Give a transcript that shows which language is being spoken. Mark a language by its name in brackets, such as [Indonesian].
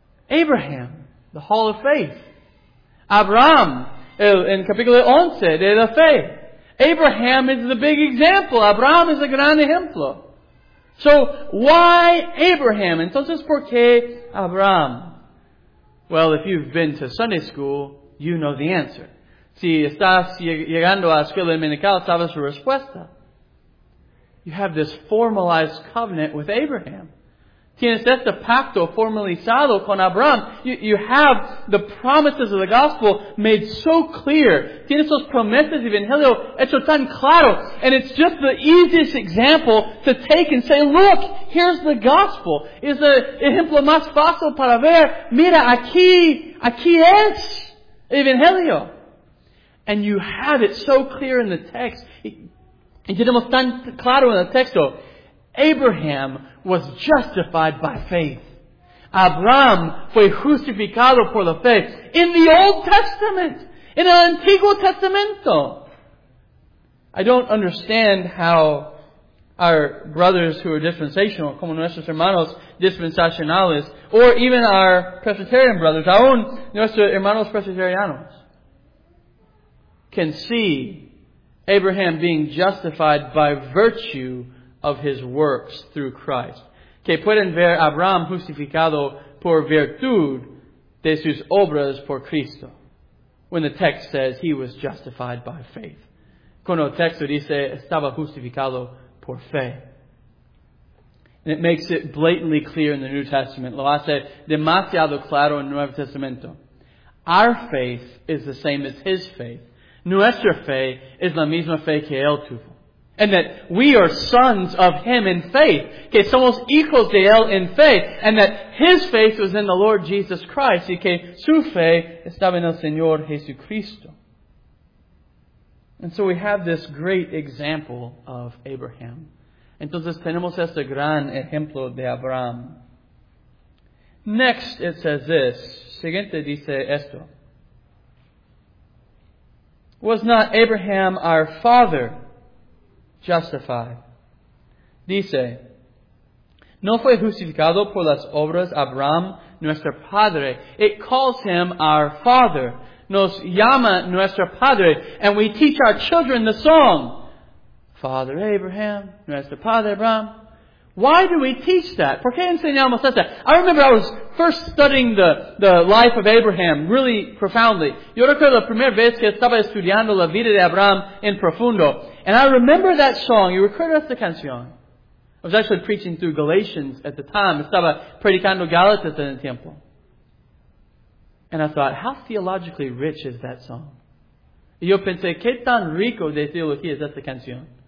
[English] Abraham, the hall of faith. [Spanish] Abraham, in capítulo 11 de la fe. [English] Abraham is the big example. Abraham is a gran ejemplo. So, why Abraham? [Spanish] Entonces, ¿por qué Abraham? [English] Well, if you've been to Sunday school, you know the answer. [Spanish] Si estás llegando a escuela dominical, sabes la respuesta. [English] You have this formalized covenant with Abraham. [Spanish] Tienes este pacto formalizado con Abraham. [English] You have the promises of the gospel made so clear. [Spanish] Tienes los promesas de Evangelio hecho tan claro. [English] And it's just the easiest example to take and say, look, here's the gospel. [Spanish] Es el ejemplo más fácil para ver. Mira, aquí es Evangelio. [English] And you have it so clear in the text. [Spanish] Y tenemos tan claro en el texto. [English] Abraham was justified by faith. [Spanish] Abraham fue justificado por la fe. [English] In the Old Testament. [Spanish] In el Antiguo Testamento. [English] I don't understand how our brothers who are dispensational, [Spanish] como nuestros hermanos dispensacionales, [English] or even our Presbyterian brothers, [Spanish] aún nuestros hermanos presbyterianos, [English] can see Abraham being justified by virtue of his works through Christ. [Spanish] Que pueden ver Abraham justificado por virtud de sus obras por Cristo. [English] When the text says he was justified by faith. [Spanish] Cuando el texto dice estaba justificado por fe. [English] And it makes it blatantly clear in the New Testament. [Spanish] Lo hace demasiado claro en el Nuevo Testamento. [English] Our faith is the same as his faith. [Spanish] Nuestra fe es la misma fe que él tuvo. [English] And that we are sons of Him in faith. [Spanish] Que somos hijos de Él [English] in faith. And that His faith was in the Lord Jesus Christ. [Spanish] Y que su fe estaba en el Señor Jesucristo. [English] And so we have this great example of Abraham. [Spanish] Entonces tenemos este gran ejemplo de Abraham. [English] Next it says this. [Spanish] Siguiente dice esto. [English] Was not Abraham our father? Justify. [Spanish] Dice, no fue justificado por las obras Abraham, nuestro padre. [English] It calls him our father. [Spanish] nos llama nuestro Padre, [English] and we teach our children the song, Father Abraham, [Spanish] nuestro Padre Abraham. [English] Why do we teach that? [Spanish] ¿Por qué enseñamos eso? [English] I remember I was first studying the life of Abraham really profoundly. [Spanish] Yo recuerdo la primera vez que estaba estudiando la vida de Abraham en profundo. [English] And I remember that song. You [Spanish] recuerdo esa canción. [English] I was actually preaching through Galatians at the time. [Spanish] Estaba predicando Gálatas en el tiempo. [English] And I thought, how theologically rich is that song? [Spanish] Y yo pensé, ¿qué tan rico de teología es esa canción?